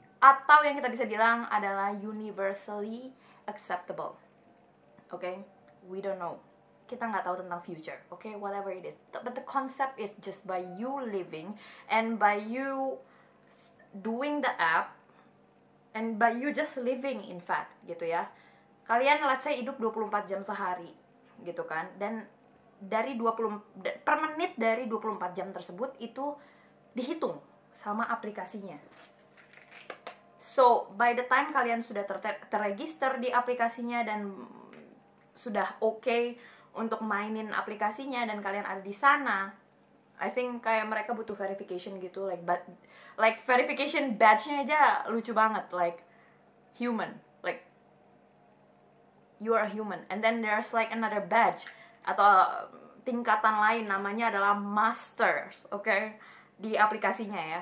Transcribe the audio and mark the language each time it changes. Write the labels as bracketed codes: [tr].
[id] Atau yang kita bisa bilang adalah [en] universally acceptable, [id] okay? [en] We don't know. [id] Kita nggak tahu tentang future, okay? [en] Whatever it is, but the concept is just by you living and by you doing the app and by you just living, in fact, [id] gitu ya. Kalian let's say hidup 24 jam sehari, gitu kan? Dan dari 20 per menit dari 24 jam tersebut itu dihitung sama aplikasinya. So by the time kalian sudah terregister di aplikasinya dan sudah okay untuk mainin aplikasinya dan kalian ada di sana, I think kayak mereka butuh verification gitu, like verification badge-nya aja lucu banget, [en] like human, like you are a human, and then there's like another badge [id] atau tingkatan lain namanya adalah masters, okay, di aplikasinya ya.